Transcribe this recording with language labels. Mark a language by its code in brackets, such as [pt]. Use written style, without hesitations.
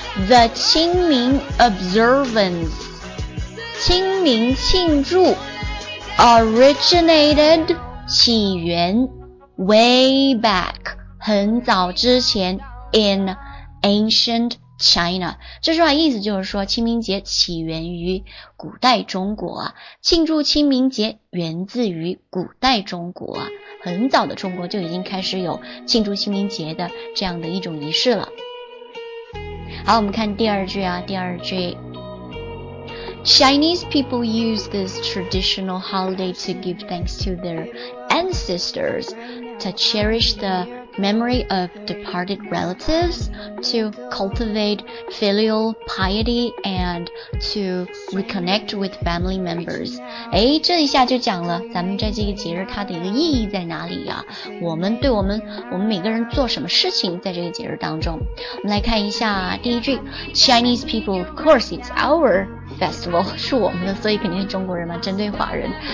[en] The 清明 observance， [zh] 清明庆祝， [en] originated 起源， way back [zh] 很早之前， [en] in ancient China。 [zh] 这句话意思就是说清明节起源于古代中国啊，庆祝清明节源自于古代中国啊，很早的中国就已经开始有庆祝清明节的这样的一种仪式了。好，我们看第二句啊，第二句 [en] Chinese people use this traditional holiday to give thanks to their ancestors, to cherish the memory of departed relatives, to cultivate filial piety, and to reconnect with family members. [zh] 诶，这一下就讲了咱们在这个节日它的一个意义在哪里啊，我们每个人做什么事情在这个节日当中。我们来看一下第一句， [en] Chinese people, of course, it's our festival, [zh] 是我们的，所以肯定是中国人嘛，针对华人。